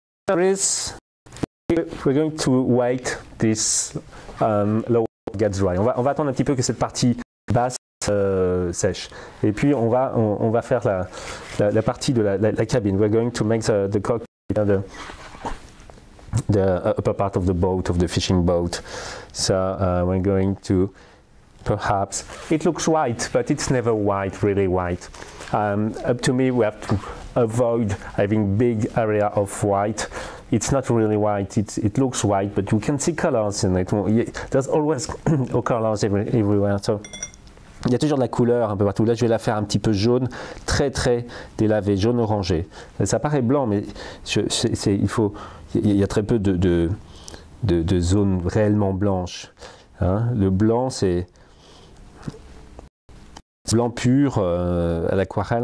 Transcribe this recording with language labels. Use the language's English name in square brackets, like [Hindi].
[English] We're going to wait this lower part gets dry. [French] On va attendre un petit peu que cette partie basse sèche. Et puis on va faire la partie de la cabine. [English] We're going to make the cockpit. The upper part of the boat, of the fishing boat. So we're going to perhaps, it looks white, but it's never white, really white. Up to me, we have to avoid having big area of white. It's not really white, it looks white, but you can see colors in it. There's always colors everywhere. [French] So il y a toujours de la couleur un peu partout. Là, je vais la faire un petit peu jaune, très très délavé, jaune orangé. Ça paraît blanc, mais il y a très peu de zones réellement blanches. Hein? Le blanc, c'est blanc pur à l'aquarelle.